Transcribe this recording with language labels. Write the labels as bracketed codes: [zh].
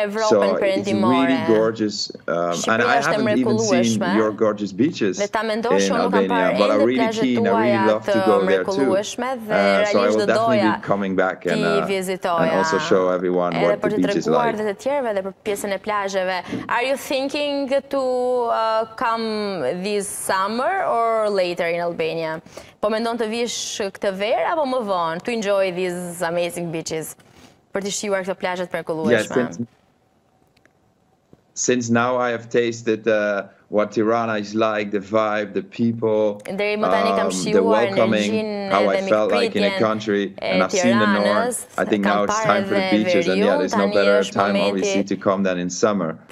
[en] So it's really gorgeous. And I haven't even seen your gorgeous beaches in Albania, but I'm really keen. I really love to go there too. So I will definitely be coming back and also show everyone what the beach is like. Are you thinking to come this summer or later in Albania? [sq] Po mendon të vish këtë verë apo më vonë [en] to enjoy these amazing beaches [sq] për të shijuar këto plazhe të mrekullueshme? [en] Yes, since now I have tasted what Tirana is like, the vibe, the people, the welcoming, how I felt like in a country, and I've seen the north. I think now it's time for the beaches, and yeah, there's no better time, obviously, to come than in summer.